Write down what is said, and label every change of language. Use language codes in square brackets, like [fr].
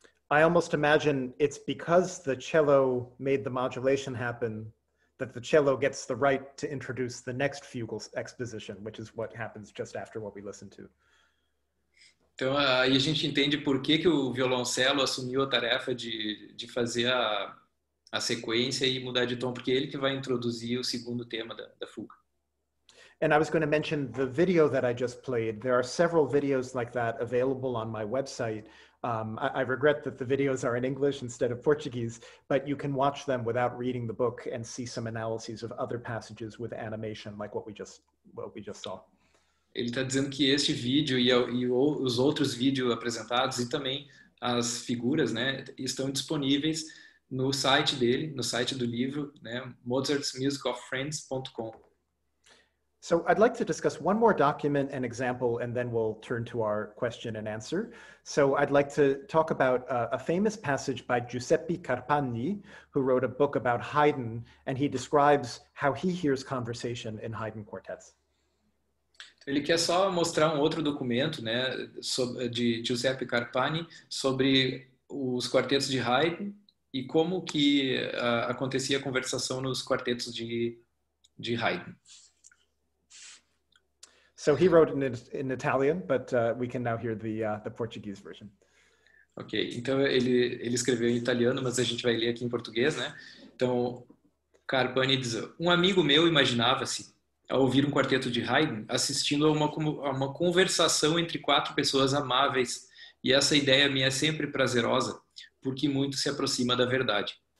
[en] I almost imagine it's because the cello made the modulation happen that the cello gets the right to introduce the next fugal exposition, which is what happens just after what we listen to. [pt] Então, aí a gente entende por que que o violoncelo assumiu a tarefa de fazer a sequência e mudar de tom, porque ele que vai introduzir o segundo tema da fuga. [en] And I was going to mention the video that I just played. There are several videos like that available on my website. I regret that the videos are in English instead of Portuguese, but you can watch them without reading the book and see some analyses of other passages with animation, like what we just saw. [pt] Ele está dizendo que este vídeo e os outros vídeos apresentados e também as figuras, né, estão disponíveis no site dele, no site do livro, né, mozartsmusicoffriends.com. [en] So I'd like to discuss one more document and example, and then we'll turn to our question and answer. So I'd like to talk about a famous passage by Giuseppe Carpagni, who wrote a book about Haydn, and he describes how he hears conversation in Haydn quartets. [pt] Ele quer só mostrar um outro documento, né, de Giuseppe Carpagni sobre os quartetos de Haydn e como que acontecia a conversação nos quartetos de Haydn. [en] So he wrote in Italian, but we can now hear the Portuguese version. [pt] Ok, então ele escreveu em italiano, mas a gente vai ler aqui em português, né? Então, Carpani diz, um amigo meu imaginava-se, ao ouvir um quarteto de Haydn, assistindo a uma conversação entre quatro pessoas amáveis, e essa ideia me é sempre prazerosa, porque muito se aproxima da verdade.